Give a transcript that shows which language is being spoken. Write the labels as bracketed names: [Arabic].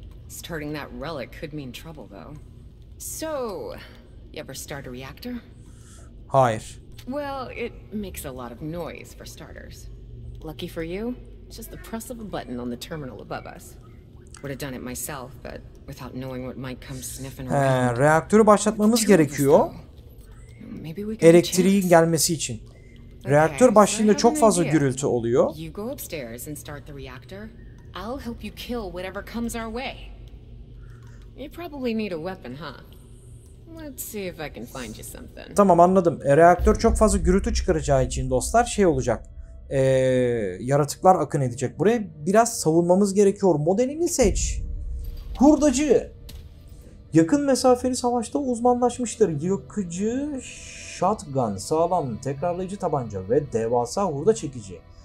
[English] Starting that relic could mean trouble though. So, you ever start a reactor? [Turkish] Hayır. [English] Well, it makes a lot of noise for starters. Lucky for you, just the press of a button on the terminal above us. Would have done it myself, but without knowing what might come sniffing around. [Turkish] Reaktörü başlatmamız gerekiyor. [English] Maybe we can. [Turkish] Elektriğin gelmesi için. Reaktör başlığında çok fazla gürültü oluyor. [English] You go upstairs and start the reactor. I'll help you kill whatever comes our way. You probably need a weapon, huh? Let's see if I can find you something. [Turkish] Tamam, anladım. Reaktör çok fazla gürültü çıkaracağı için dostlar şey olacak. Yaratıklar akın edecek. Buraya biraz savunmamız gerekiyor. Modelini seç. Hurdacı. Yakın mesafeli savaşta uzmanlaşmıştır. Yakıcı, shotgun, sağlam, tekrarlayıcı tabanca ve devasa hurda çekici.